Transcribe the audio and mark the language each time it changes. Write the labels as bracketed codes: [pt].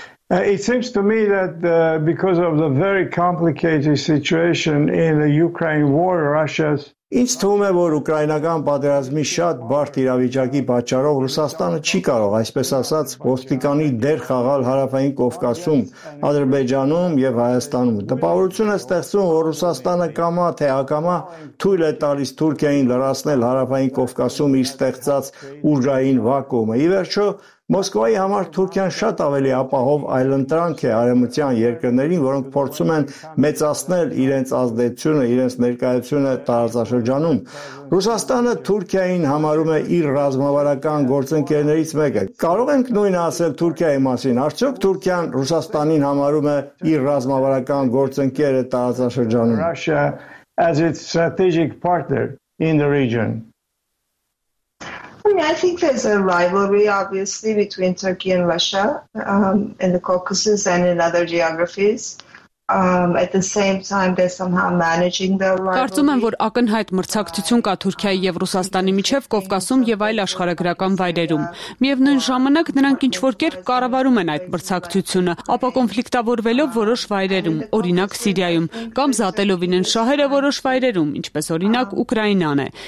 [en] It seems to me that because of the very complicated situation in the Ukraine war, Russia's [hy] Ինչ թվում է, որ ուկրաինական պատերազմի շատ բարդ իրավիճակի պատճառով Ռուսաստանը չի կարող, այսպես ասած, ոստիկանի դեր խաղալ Հարավային Կովկասում, Ադրբեջանում եւ Հայաստանում։ Տպավորություն է ստեղծում, որ Ռուսաստանը կամա թե ակամա թույլ է տալիս Թուրքիային լրացնել Հարավային Կովկասում իր ստեղծած ուժային վակուումը։ Ի վերջո Մոսկվայի համար Թուրքիան շատ ավելի ապահով այլընտրանք է արևմտյան երկրներին, որոնք փորձում են մեծացնել իրենց ազդեցությունը, իրենց ներկայությունը տարածաշրջանում։ Ռուսաստանը Թուրքիային համարում է իր ռազմավարական գործընկերներից մեկը։ Կարող ենք նույնը ասել Թուրքիայի մասին։ Արդյոք Թուրքիան Ռուսաստանին համարում է իր ռազմավարական գործընկերը տարածաշրջանում։ [en] Russia as its strategic partner in the region. I mean, I think there's a rivalry, obviously, between Turkey and Russia in the Caucasus and in other geographies. At the same time, they're somehow managing their rivalry. [hy] Կարծում եմ, որ ակնհայտ մրցակցություն կա Թուրքիայի և Ռուսաստանի միջև Կովկասում և այլ աշխարհագրական վայրերում։ Միևնույն ժամանակ նրանք ինչ-որ կերպ կառավարում են այդ մրցակցությունը, ապա կոնֆլիկտավորվելով որոշ վայրերում, օրինակ Սիրիայում, կամ զատելով իրենց շահերը որոշ վայրերում, ինչպես օրինակ Ուկրաինան է։